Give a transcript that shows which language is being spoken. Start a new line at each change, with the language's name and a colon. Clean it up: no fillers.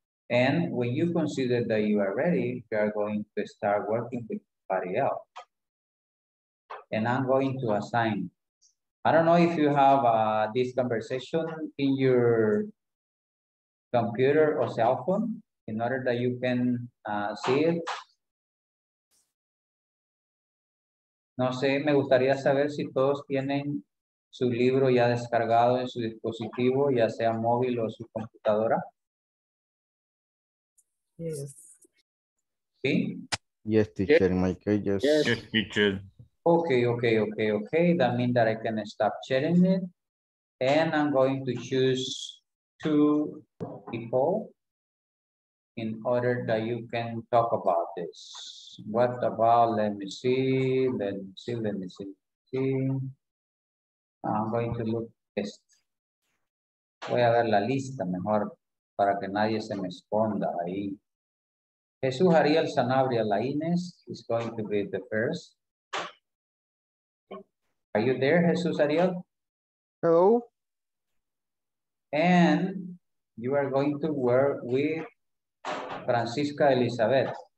English: And when you consider that you are ready, you are going to start working with somebody else. And I'm going to assign. I don't know if you have this conversation in your computer or cell phone in order that you can see it.
Spanish: No sé, me gustaría saber si todos tienen su libro ya descargado en su dispositivo, ya sea móvil o su computadora.
English: Yes.
Spanish: ¿Sí?
English: Yes, teacher. Yes. Mike, yes. Yes. Yes, teacher. Okay. That means that I can stop sharing it. And I'm going to choose two people in order that you can talk about this. What about, let me see. I'm going to look this.
Spanish: Voy a ver la lista mejor para que nadie se me esconda ahí.
English: Jesús Ariel Sanabria Laines is going to be the first. Are you there, Jesús Ariel? Hello. And you are going to work with Francisca Elizabeth.